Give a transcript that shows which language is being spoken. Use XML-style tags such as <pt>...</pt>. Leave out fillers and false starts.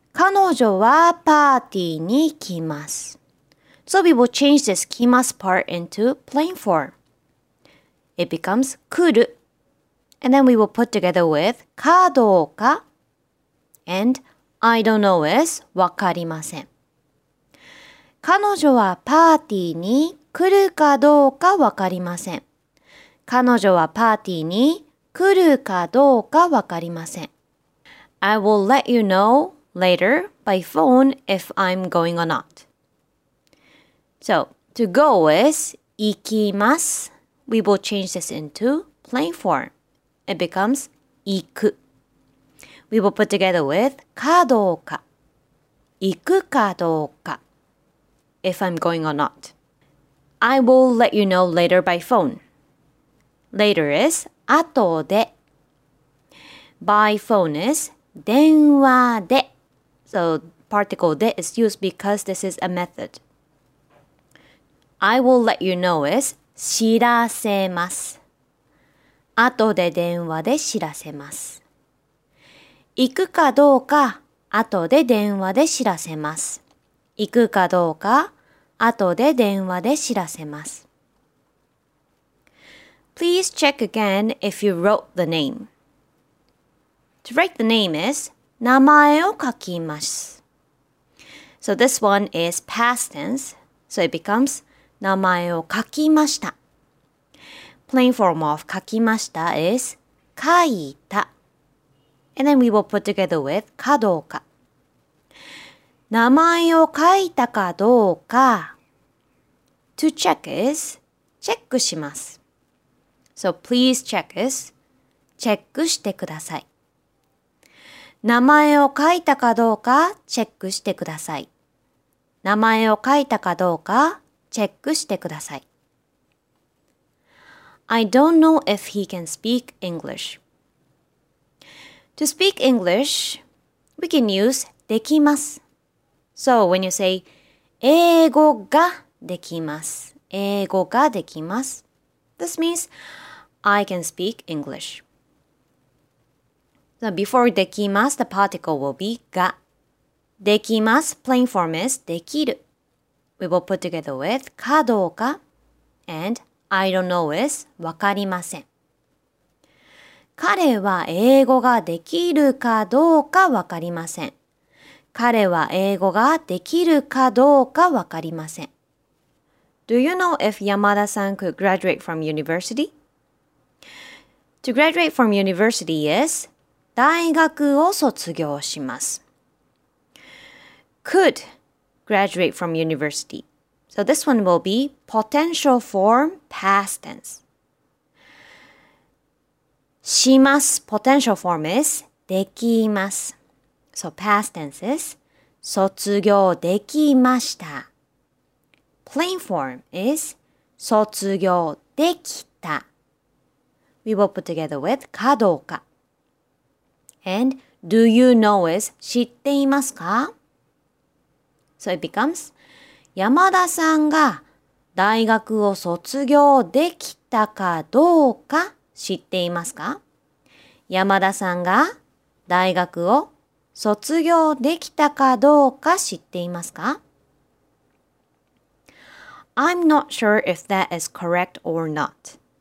<ja>彼女はパーティーに来ます</ja> <en>So we will change this 来ます part into plain form. It becomes 来る And then we will put together with</en> <ja>かどうか</ja> <en>And I don't know is わかりません</en> <ja>彼女はパーティーに来るかどうかわかりません。彼女はパーティーに来るかどうかわかりません。</ja> <en>I will let you know later by phone if I'm going or not. So, to go is</en> <ja>行きます。</ja> <en>We will change this into plain form. It becomes</en> <ja>行く。</ja> <en>We will put together with</en> <ja>かどうか。行くかどうか。</ja> <en>If I'm going or not. I will let you know later by phone. Later is</en> <ja>後で.</ja> <en>By phone is</en> <ja>電話で.</ja> <en>So particle で is used because this is a method. I will let you know is</en> <ja>知らせます. 後で電話で知らせます.行くかどうか後で電話で知らせます. 行くかどうか後で電話で知らせます。</ja> <en>Please check again if you wrote the name. To write the name is</en> <ja>名前を書きます。</ja> <en>So this one is past tense, so it becomes</en> <ja>名前を書きました。</ja> <en>Plain form of 書きました is</en> <ja>書いた。</ja> <en>And then we will put together with かどうか。</en> <ja>名前を書いたかどうか。</ja> <en>To check is</en> <ja>チェックします。</ja> <en>So please check is</en> <ja>チェックしてください。名前を書いたかどうかチェックしてください。名前を書いたかどうかチェックしてください。</ja> <en>I don't know if he can speak English. To speak English, we can use</en> <ja>できます。</ja> <en>So when you say</en> <ja>英語ができます。英語ができます。</ja> <en>This means I can speak English. So before できます, the particle will be ができます, plain form is できる. We will put together with</en> <ja>かどうか</ja> <en>and I don't know is わかりません。</en> <ja>彼は英語ができるかどうかわかりません。彼は英語ができるかどうかわかりません。</ja> <en>Do you know if Yamada-san could graduate from university? To graduate from university is</en> <ja>大学を卒業します。</ja> <en>Could graduate from university. So this one will be potential form past tense. します potential form is できます。 So past tense is</en> <ja>卒業できました。</ja> <en>Plain form is</en> <ja>卒業できた。</ja> <en>we will put together with かどうか。And do you know is</en> <ja>知っていますか?</ja> <en>So it becomes</en> <ja>山田さんが大学を卒業できたかどうか知っていますか? 山田さんが大学を卒業できたかどうか知っていますか?</ja> <en>I'm not sure if that is correct or not.</en>